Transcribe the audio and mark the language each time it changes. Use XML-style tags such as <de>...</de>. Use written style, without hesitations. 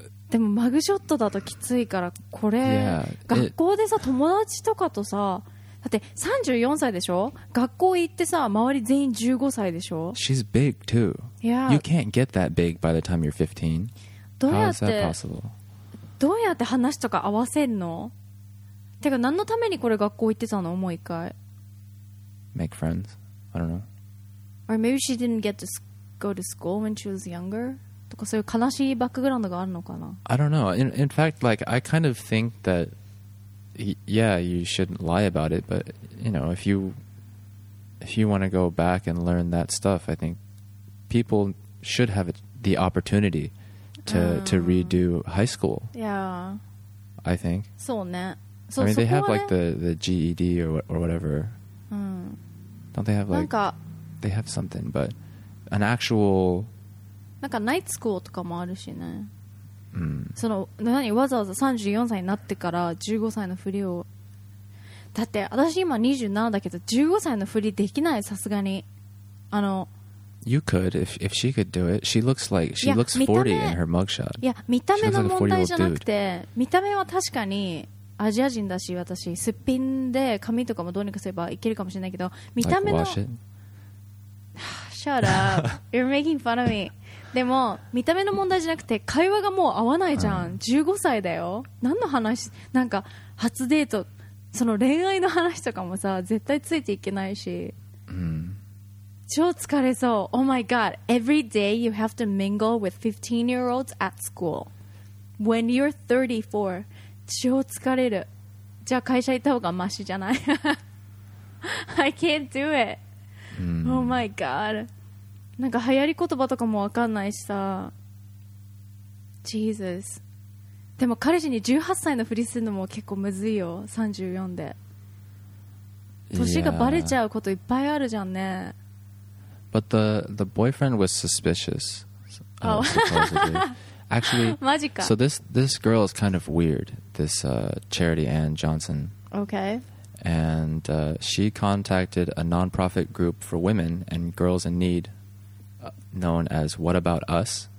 <ja>でもマグショットだときついからこれ学校でさ友達とかとさだって34歳でしょ学校行ってさ周り全員15歳でしょ</ja> <en>She's big too Yeah You can't get that big by the time you're 15 How is that possible?</en> <ja>どうやって話とか合わせんのてか何のためにこれ学校行ってたのもう一回</ja> <en>Make friends I don't know Or maybe she didn't get to go to school when she was younger</en> <ja>とかそういう悲しいバックグラウンドがあるのかな</ja> <en>I don't know. In fact, like, I kind of think that, yeah, you shouldn't lie about it, but, you know, if you want to go back and learn that stuff, I think people should have the opportunity to redo high school. Yeah. I think.</en> <ja>そうね。</ja> <en>I mean, they have, like, the GED or whatever. Don't they have, like, they have something, but an actual...</en> <ja>なんかナイトスクールとかもあるしね、うん、その何わざわざ34歳になってから15歳のふりをだって私今27だけど15歳のふりできないさすがにあの</ja> <en>You could if she could do it She looks like She looks 40 in her mugshot</en> <ja>いや見た目の問題じゃなくて見た目は確かにアジア人だし私すっぴんで髪とかもどうにかすればいけるかもしれないけど見た目の、</ja> <en>like、wash it? Shut up. You're making fun of me.</en> <ja>でも見た目の問題じゃなくて会話がもう合わないじゃん、15歳だよ、何の話、なんか初デート、その恋愛の話とかもさ絶対ついていけないし、超疲れそう。</ja> <en>Oh my god, every day you have to mingle with 15 year olds at school when you're 34.</en> <ja>超疲れる。じゃあ会社行った方がマシじゃない。</ja> <en>I can't do it、Oh my god,</en> <ja>なんか流行り言葉とかもわかんないしさ、</ja> <en>Jesus。</en> <ja>でも彼氏に18歳のふりするのも結構むずいよ、34で年がバレちゃうこといっぱいあるじゃんね。</ja> <en>But the boyfriend was suspicious. Oh, actually, so this girl is kind of weird. This Charity Ann Johnson. Okay. And she contacted a nonprofit group for women and girls in need, known as What About Us.</en>